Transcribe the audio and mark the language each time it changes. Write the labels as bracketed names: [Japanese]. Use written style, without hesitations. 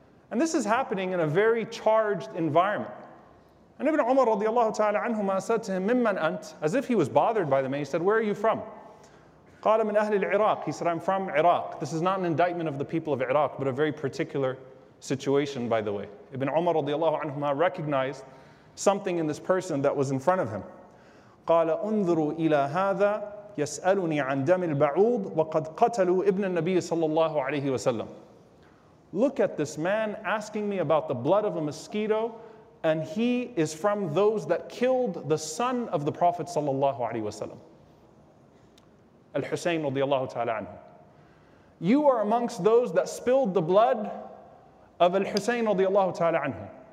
[English] And this is happening in a very charged environment. And Ibn Umar radiallahu ta'ala anhuma said to him, [Arabic] Mimman ant, [English] as if he was bothered by the man, he said, where are you from? [Arabic] قال من أهل العراق. [English] He said, I'm from Iraq. This is not an indictment of the people of Iraq, but a very particular situation, by the way. Ibn Umar radiallahu anhuma recognized something in this person that was in front of him. [Arabic] قال انظروا إلى هذا يسألني عن دم البعوض وقد قتلوا ابن النبي صلى الله عليه وسلم. [English] Look at this man asking me about the blood of a mosquito, and he is from those that killed the son of the Prophet [Arabic] صلى الله عليه وسلم. [English] Al-Husayn radiallahu ta'ala anhu. You are amongst those that spilled the blood of Al-Husayn radiallahu ta'ala anhu.